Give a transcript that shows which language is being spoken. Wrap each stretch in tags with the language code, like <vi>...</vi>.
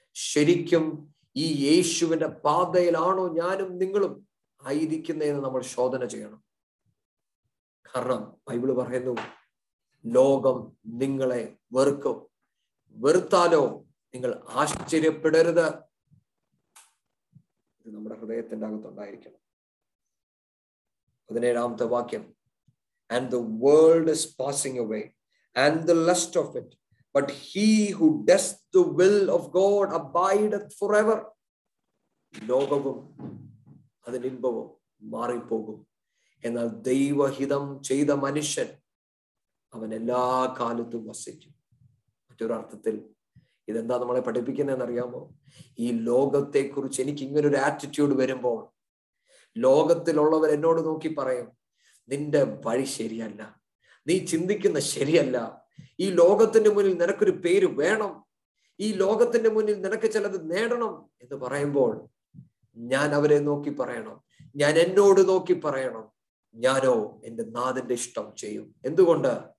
<ml>ശരിക്കും ഈ യേശുവിന്റെ പാതയിലാണോ ഞാനും നിങ്ങളും ആയിരിക്കുന്നതെന്ന് നമ്മൾ ശോധന ചെയ്യണം. കാരണം ബൈബിൾ പറയുന്നു, ലോകം നിങ്ങളെ വെറുക്കും, വെറുത്താലോ നിങ്ങൾ ആശ്ചര്യപ്പെടരുത്. ഇത് നമ്മുടെ ഹൃദയത്തിന്റെ അകത്തുണ്ടായിരിക്കണം.</ml> <en>17th വാക്യം, and the world is passing away and the lust of it, but he who does the will of God abideth forever.</en> <ml>ലോകവും അതിന്റെ ഇമ്പവും മാറിപ്പോകും, എന്നാൽ ദൈവഹിതം ചെയ്ത മനുഷ്യൻ അവൻ എല്ലാ കാലത്തും വസിക്കും. മറ്റൊരർത്ഥത്തിൽ ഇതെന്താ നമ്മളെ പഠിപ്പിക്കുന്നതെന്ന് അറിയാമോ? ഈ ലോകത്തെ കുറിച്ച് എനിക്ക് ഇങ്ങനെ ഒരു ആറ്റിറ്റ്യൂഡ് വരുമ്പോൾ ലോകത്തിലുള്ളവർ എന്നോട് നോക്കി പറയും, നിന്റെ വഴി ശരിയല്ല, നീ ചിന്തിക്കുന്ന ശരിയല്ല, ഈ ലോകത്തിന്റെ മുന്നിൽ നിനക്കൊരു പേര് വേണം, ഈ ലോകത്തിന്റെ മുന്നിൽ നിനക്ക് ചിലത് നേടണം എന്ന് പറയുമ്പോൾ ഞാൻ അവരെ നോക്കി പറയണം, ഞാൻ എന്നോട് നോക്കി പറയണം, ഞാനോ എൻ്റെ നാഥന്റെ ഇഷ്ടം ചെയ്യും. എന്തുകൊണ്ട്?</ml>